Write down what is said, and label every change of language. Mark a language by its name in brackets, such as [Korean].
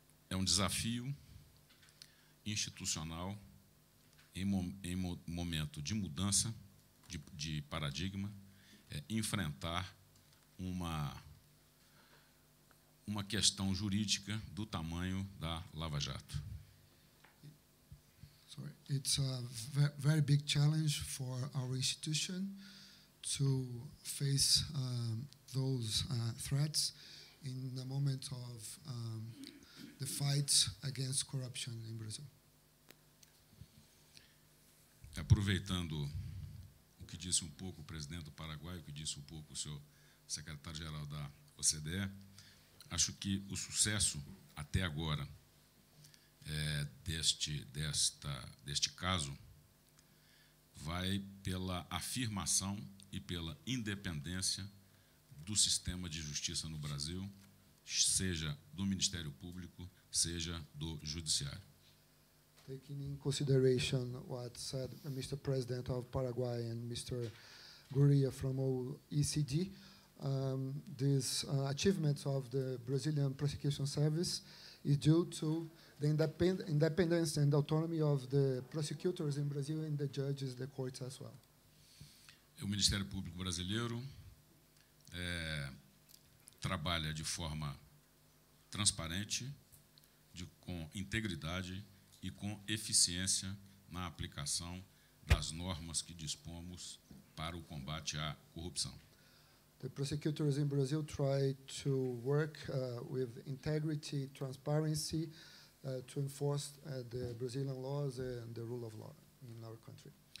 [Portuguese] É um desafio institucional em momento de mudança de paradigma, enfrentar uma questão jurídica do tamanho da Lava Jato. [English] Sorry. It's a very big challenge for our institution to face those threats in the moment of the fight against corruption in Brazil. [Portuguese] Aproveitando o que disse um pouco o presidente do Paraguai, o que disse um pouco o senhor secretário-geral da OECD, acho que o sucesso até agora deste caso vai pela afirmação e pela independência do sistema de justiça no Brasil, seja do Ministério Público, seja do Judiciário. [English] Taking in consideration what said Mr. President of Paraguay and Mr. Gurría from OECD, this achievement of the Brazilian Prosecution Service is due to the independence and autonomy of the prosecutors in Brazil and the judges, the courts as well. [Portuguese] O Ministério Público Brasileiro trabalha de forma transparente, com integridade e com eficiência na aplicação das normas que dispomos para o combate à corrupção. [English] The prosecutors in Brazil try to work with integrity, transparency, to enforce the Brazilian laws and the rule of law in our country.